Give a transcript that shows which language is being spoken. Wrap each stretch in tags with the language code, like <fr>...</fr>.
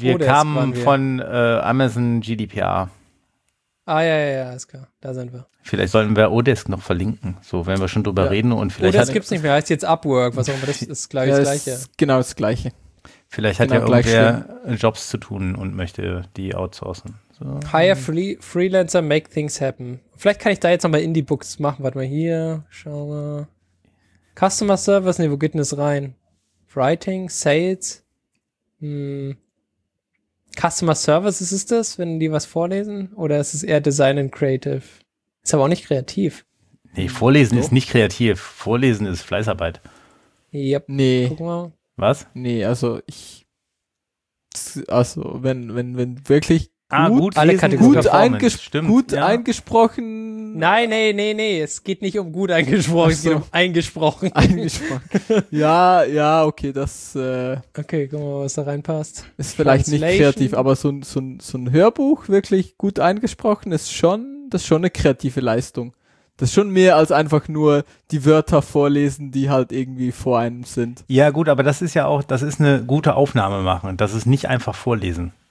<de>Wir kamen von Amazon GDPR. Ah, ja, ja, ja, ist klar. Da sind wir. Vielleicht sollten wir Odesk noch verlinken. So, wenn wir schon drüber reden und vielleicht. Odesk gibt es nicht mehr, heißt jetzt Upwork. Was auch immer, das ist gleich das Gleiche. Ist genau das Gleiche. Vielleicht hat genau ja irgendwer schlimm. Jobs zu tun und möchte die outsourcen. So.</de> <en>Hire Freelancer, make things happen.</en> <de>Vielleicht kann ich da jetzt nochmal Indie-Books machen. Warte mal hier, schau mal. Customer Service, nee, wo geht denn das rein?</de> <en>Writing, Sales, Customer Service,</en> <de>ist das, wenn die was vorlesen? Oder ist es eher</de> <en>Design and Creative?</en> <de>Ist aber auch nicht kreativ. Nee, vorlesen ist nicht kreativ. Vorlesen ist Fleißarbeit. Yep. Nee. Guck mal. Was? Nee, also ich. Also, wenn wirklich. Gut, alle Kategorien. Gut eingesprochen. Nein, nee. Es geht nicht um gut eingesprochen, es geht um eingesprochen. Eingesprochen. Ja, ja, okay, das. Okay, guck mal, was da reinpasst. Ist vielleicht nicht kreativ, aber so ein Hörbuch wirklich gut eingesprochen ist schon eine kreative Leistung. Das ist schon mehr als einfach nur die Wörter vorlesen, die halt irgendwie vor einem sind. Ja, gut, aber das ist ja auch, das ist eine gute Aufnahme machen. Das ist nicht einfach vorlesen.</de>